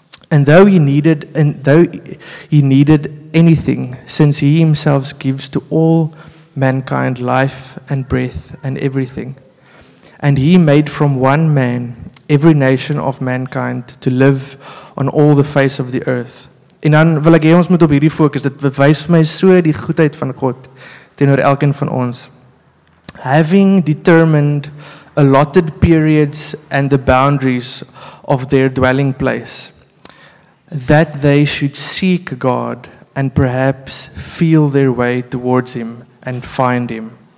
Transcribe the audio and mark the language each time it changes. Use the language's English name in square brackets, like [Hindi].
[English] And though he needed anything, since he himself gives to all mankind life and breath and everything, and he made from one man every nation of mankind to live on all the face of the earth. [Afrikaans] En dan wil ek hê ons moet op hierdie fokus. Dit bewys vir my so die goedheid van God teenoor elkeen van ons. [English] Having determined allotted periods and the boundaries of their dwelling place, that they should seek God and perhaps feel their way towards him and find him.